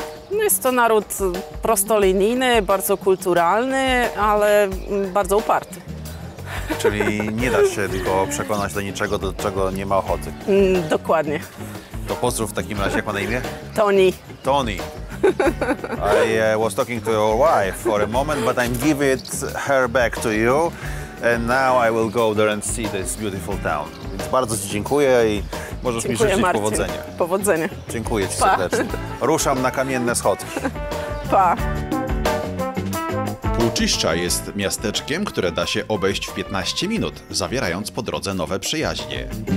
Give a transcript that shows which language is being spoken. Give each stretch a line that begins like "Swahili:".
Polish: No jest to naród prostolinijny, bardzo kulturalny, ale bardzo uparty. Czyli nie da się go przekonać do niczego, do czego nie ma ochoty. Dokładnie. To pozdrów w takim razie, jak ma na imię? Tony. Tony.
English: I was talking to your wife for a moment, but I'm giving her back to you. And now I will go there and see this beautiful town.
Polish: Więc bardzo Ci dziękuję i możesz dziękuję, mi życzyć Marcin. Powodzenia. Powodzenia. Dziękuję Ci serdecznie. Ruszam na kamienne schodki. Pa. Puciszcza jest miasteczkiem, które da się obejść w 15 minut, zawierając po drodze nowe przyjaźnie.